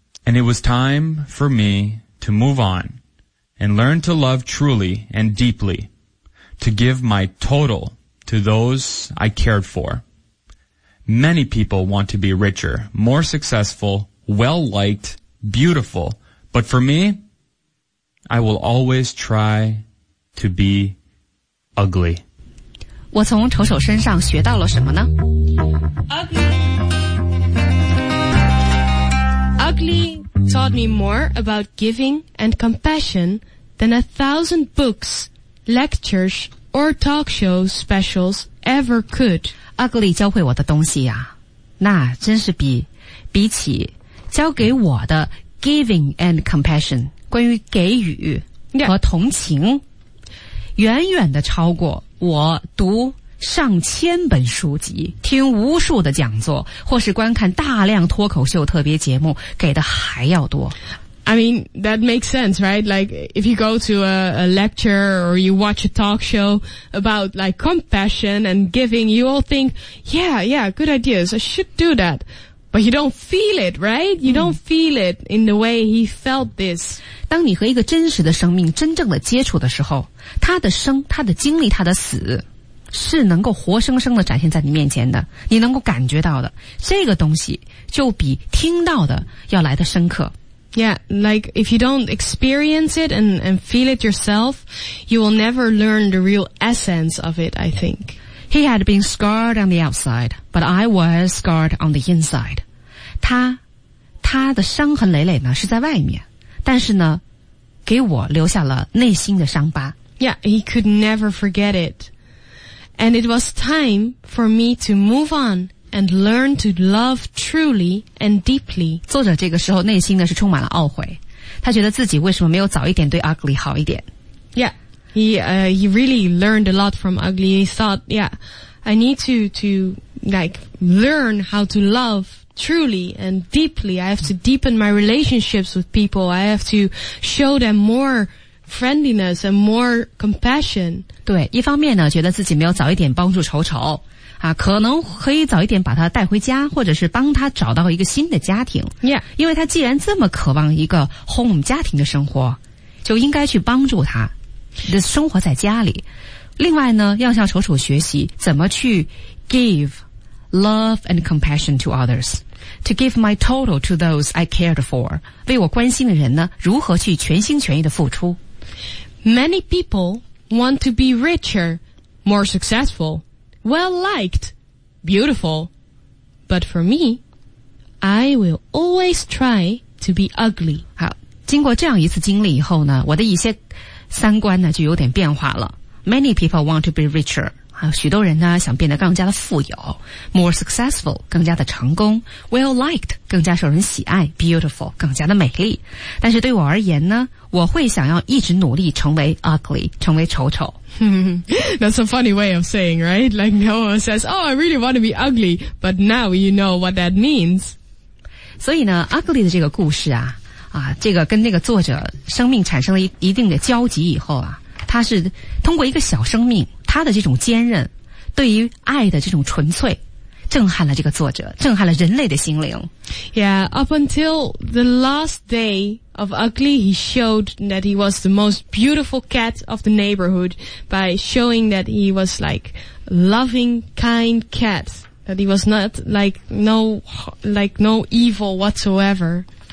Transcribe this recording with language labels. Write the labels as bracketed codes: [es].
[en] And it was time for me to move on and learn to love truly and deeply, to give my total to those I cared for. Many people want to be richer, more successful, well-liked, beautiful. But for me, I will always try to be ugly. [zh] 我从丑丑身上学到了什么呢？ [en] Ugly taught me more about giving and compassion than 1,000 books, lectures, or talk show specials ever could. [zh] Ugly 教会我的东西啊，那真是比起教给我的 [en] giving and compassion [zh] 关于给予和同情、 [en] yeah. [zh] 远远的超过我读上千本书籍听无数的讲座或是观看大量脱口秀特别节目给的还要多。 [en] I mean, that makes sense, right? Like, if you go to a lecture or you watch a talk show about, like, compassion and giving, you all think, yeah, good ideas, I should do that. But you don't feel it, right? You don't feel it in the way he felt this. [zh] 当你和一个真实的生命真正的接触的时候，他的生，他的经历，他的死，是能够活生生的展现在你面前的，你能够感觉到的，这个东西就比听到的要来的深刻。 [en] Yeah, like if you don't experience it and feel it yourself, you will never learn the real essence of it, I think. He had been scarred on the outside, but I was scarred on the inside. [zh] 他的伤痕累累呢是在外面，但是呢给我留下了内心的伤疤。 [en] Yeah, he could never forget it. And it was time for me to move on. And learn to love truly and deeply. [zh] 作者这个时候内心呢是充满了懊悔，他觉得自己为什么没有早一点对 Ugly 好一点。 [en] Yeah, he really learned a lot from Ugly. He thought, yeah, I need to like learn how to love truly and deeply. I have to deepen my relationships with people. I have to show them more friendliness and more compassion. [zh] 对，一方面呢，觉得自己没有早一点帮助丑丑。啊，可能可以早一点把他带回家，或者是帮他找到一个新的家庭。 [en] Yeah. [zh] 因为他既然这么渴望一个 home 家庭的生活，就应该去帮助他的生活在家里。另外呢，要向丑丑学习怎么去 [en] give love and compassion to others, to give my total to those I cared for, [zh] 为我关心的人呢，如何去全心全意的付出。 [en] Many people want to be richer, more successful,well-liked, beautiful. But for me, I will always try to be ugly. [zh] 好，经过这样一次经历以后呢，我的一些三观呢就有点变化了。 [en] Many people want to be richer. [zh] 好，许多人呢想变得更加的富有。 [en] More successful, [zh] 更加的成功。 Well-liked, 更加受人喜爱。Beautiful, 更加的美丽。但是对我而言呢，我会想要一直努力成为 ugly, 成为丑丑。 [en] That's a funny way of saying, right? Like no one says, oh, I really want to be ugly, but now you know what that means. [zh] 所以呢 ,ugly 的这个故事啊啊这个跟那个作者生命产生了一定的交集以后啊，他是通过一个小生命他的这种坚韧对于爱的这种纯粹震撼了这个作者，震撼了人类的心灵。 [en] Yeah, up until the last day of Ugly, he showed that he was the most beautiful cat of the neighborhood by showing that he was like loving, kind cat, that he was not like no evil whatsoever.